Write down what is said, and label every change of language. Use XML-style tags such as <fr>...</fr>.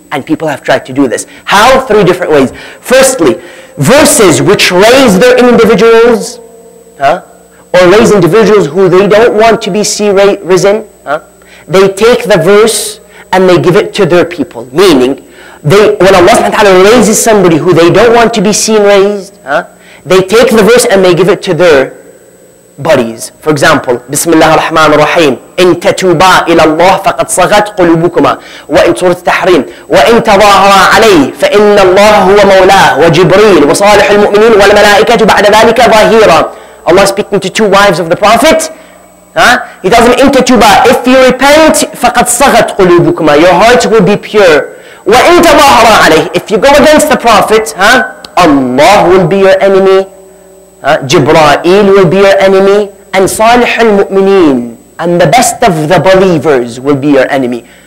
<en>And people have tried to do this. How? Three different ways. Firstly, verses which raise their individuals, or raise individuals who they don't want to be risen, they take the verse and they give it to their people. Meaning, when Allah subhanahu wa ta'ala raises somebody who they don't want to be seen raised, they take the verse and they give it to their buddies. For example, Bismillah ar-Rahman ar-Rahim.</en> <ar>إن تتوبا إلى الله فقد صغت قلوبكما وإن سورة التحريم وإن تظاهرا عليه فإن الله هو مولاه وجبريل وصالح المؤمنين والملائكة بعد ذلك ظاهرا.</ar> <en>Allah speaking to two wives of the Prophet. He tells them,</en> <ar>إن تتوبا,</ar> <en>if you repent,</en> <ar>فقد صغت قلوبكما,</ar> <en>your hearts will be pure.</en> <ar>وإن تظاهرا عليه,</ar> <en>if you go against the Prophet, Allah will be your enemy. Jibra'il will be your enemy, and salih al-mu'mineen, and the best of the believers will be your enemy.</en>